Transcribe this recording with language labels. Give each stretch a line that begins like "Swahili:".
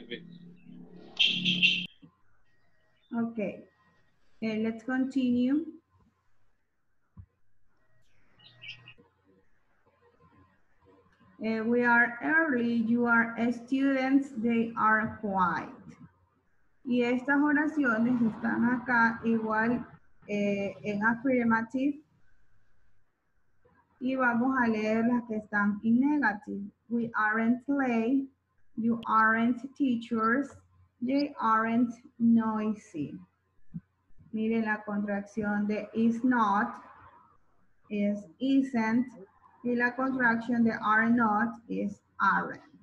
Spanish: difícil. Okay.
English: Let's continue. We are early, you are students, they are quiet.
Spanish: Y estas oraciones están acá igual en affirmative. Y vamos a leer las que están en negative.
English: We aren't late, you aren't teachers, they aren't noisy.
Spanish: Miren la contracción de is not, is isn't. Y la contraction de are not is aren't.